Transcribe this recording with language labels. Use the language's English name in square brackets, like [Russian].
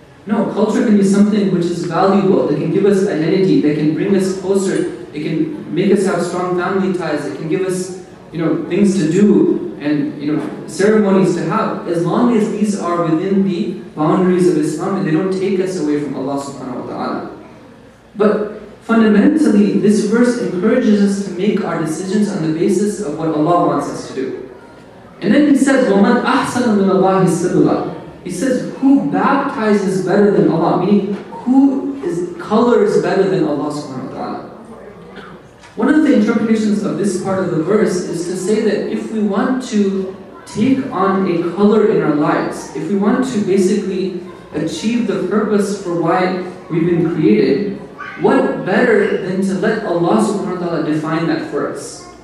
[English] No, culture can be something which is valuable, that can give us identity, that can bring us closer, it can make us have strong family ties, it can give us, you know, things to do and, you know, ceremonies to have, as long as these are within the boundaries of Islam and they don't take us away from Allah subhanahu wa ta'ala. But fundamentally, this verse encourages us to make our decisions on the basis of what Allah wants us to do. [Arabic] And then he says, وَمَنْ أَحْسَنَ مِنَ اللَّهِ سِبْلًا. [English] He says, who baptizes better than Allah? Meaning, who is colors better than Allah subhanahu wa ta'ala? One of the interpretations of this part of the verse is to say that if we want to take on a color in our lives, if we want to basically achieve the purpose for why we've been created, what better than to let Allah subhanahu wa ta'ala define that for us?